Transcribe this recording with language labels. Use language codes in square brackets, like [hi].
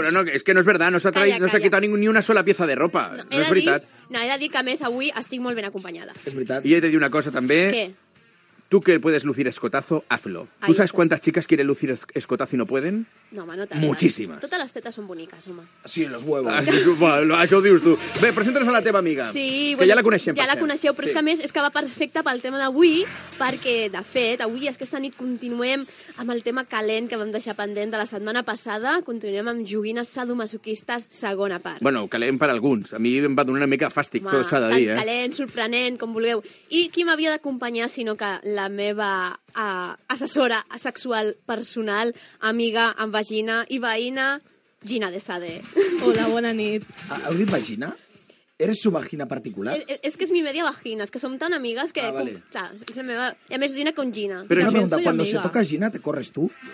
[ca] Però no, és que no és verdad, no s'ha quitat [es] ni una sola pieza de ropa, [ca] no és veritat. No, he de dir que a més avui estic molt ben acompanyada. És veritat. I he de dir una cosa també. Què? [es] Tu que puedes lucir escotazo, hazlo. ¿Tú sabes cuántas chicas quieren lucir escotazo y no pueden? [ca] No, home, no tant. [es] Muchísimas. [ca] Totes les tetes són boniques, home. [es] Sí, los huevos. [ca] Ah, sí, bueno, això ho dius tu. Bé, presenta'ns a la teva amiga. Sí. Que bueno, ja la coneixem. Ja la coneixeu, però sí. És que a més és que va perfecta pel tema d'avui, perquè, de fet, avui aquesta nit continuem amb el tema calent que vam deixar pendent de la setmana passada. Continuem amb joguines sadomasoquistes, segona part. Bueno, calent per alguns. A mi em va donar una mica fàstic, tot s'ha de dir, eh? Calent, sorprenent, com vulgueu. I qui m'havia d'acompanyar, sinó que la meva... assessora sexual personal, amiga amb vagina i veïna, Gina de Sade. Hola, bona nit. Heu dit vagina? [es] ¿Eres su vagina particular? Es que es mi media vagina, es que son tan amigas que... Ah, vale. Claro, se me va... Y a més, Gina con Gina. Pero una pregunta, cuando se toca Gina, ¿te corres tú?